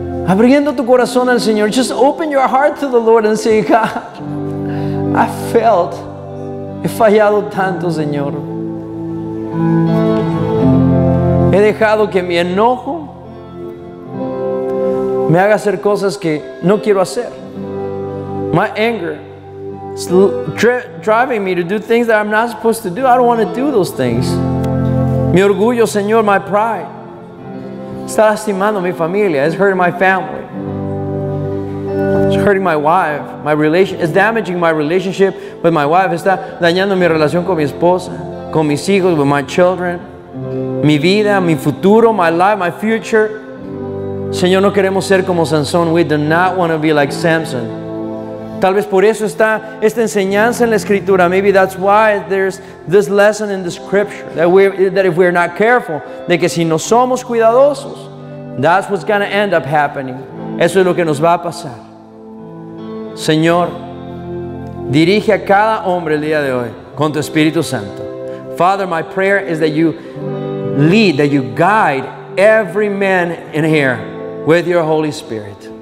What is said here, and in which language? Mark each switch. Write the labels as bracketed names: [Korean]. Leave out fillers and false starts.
[Spanish] abriendo tu corazón al Señor. [English] Just open your heart to the Lord and say, God, I felt, [Spanish] he fallado tanto, Señor. He dejado que mi enojo me haga hacer cosas que no quiero hacer. [English] My anger is driving me to do things that I'm not supposed to do. I don't want to do those things. [Spanish] Mi orgullo, Señor, [English] my pride, [Spanish] está lastimando mi familia. [English] It's hurting my family. It's hurting my wife, my relation. It's damaging my relationship with my wife. [Spanish] Está dañando mi relación con mi esposa, con mis hijos, [English] with my children, [Spanish] mi vida, mi futuro, [English] my life, my future. [Spanish] Señor, no queremos ser como Sansón. [English] We do not want to be like Samson. [Spanish] Tal vez por eso está esta enseñanza en la Escritura. [English] Maybe that's why there's this lesson in the Scripture. That if we're not careful, [Spanish] de que si no somos cuidadosos, [English] that's what's going to end up happening. [Spanish] Eso es lo que nos va a pasar. Señor, dirige a cada hombre el día de hoy con tu Espíritu Santo. [English] Father, my prayer is that you lead, that you guide every man in here with your Holy Spirit.